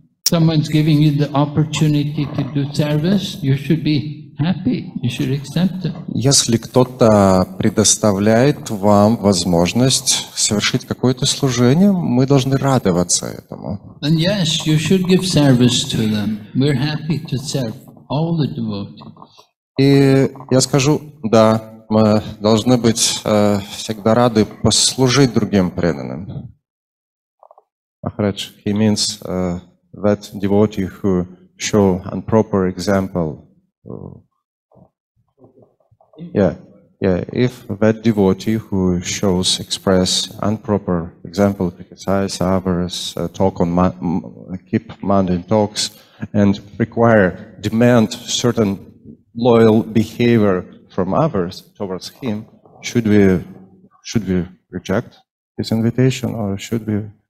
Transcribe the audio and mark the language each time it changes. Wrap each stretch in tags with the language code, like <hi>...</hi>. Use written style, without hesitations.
<en>Someone's giving you the opportunity to do service, you should be happy, you should accept it.</en> <ru>Если кто-то предоставляет вам возможность совершить какое-то служение, мы должны радоваться этому.</ru> <en>And yes, you should give service to them. We're happy to serve all the devotees.</en> <ru>И я скажу, да, мы должны быть всегда рады послужить другим преданным.</ru> <en>Махарадж, he means that devotee who show an proper example. If that devotee who shows, express an proper example, criticize others, talk on, keep mundane talks, and require, demand certain loyal behavior from others towards him, should we reject his invitation or should we?</en>